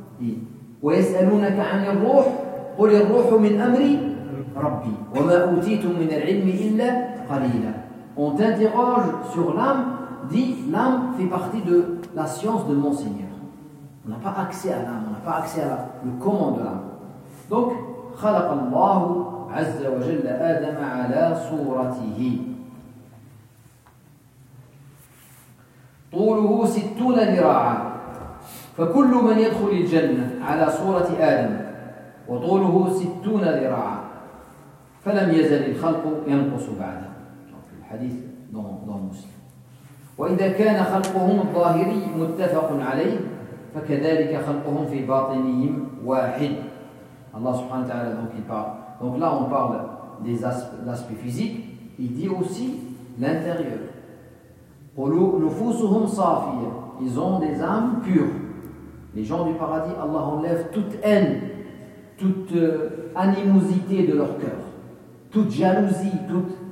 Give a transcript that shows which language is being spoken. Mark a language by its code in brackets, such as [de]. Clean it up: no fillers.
[ar] Et وَيَسْأَلُونَكَ عَنِ الرُّوحِ قُلِ الرُّوحُ مِنْ أَمْرِ رَبِّي وَمَا أُوتِيتُم مِنَ الْعِلْمِ إِلَّا قَلِيلًا. [fr] On t'interroge sur l'âme, dit l'âme fait partie de la science de mon Seigneur. On n'a pas accès à l'âme, on n'a pas accès à le comment de l'âme. [ar] Donc, خَلَقَ اللَّهُ عَزَّ وَجَلَّ آدَمَ عَلَى صُورَتِهِ طُولُهُ 60 ذِرَاعًا فكل من يدخل الجنة على صورة آدم وطوله 60 ذراعا فلم يزل الخلق ينقص بعده في الحديث دون مسلم. وإذا كان خلقهم الظاهري متفق عليه فكذلك خلقهم في باطنهم واحد. الله سبحانه وتعالى [fr] donc il parle, donc là on parle des aspects physiques, il dit aussi l'intérieur. [ar] قلوا نفوسهم صافية, [fr] ils ont des âmes pures. Les gens du paradis, Allah enlève toute haine, toute animosité de leur cœur, toute jalousie, toute...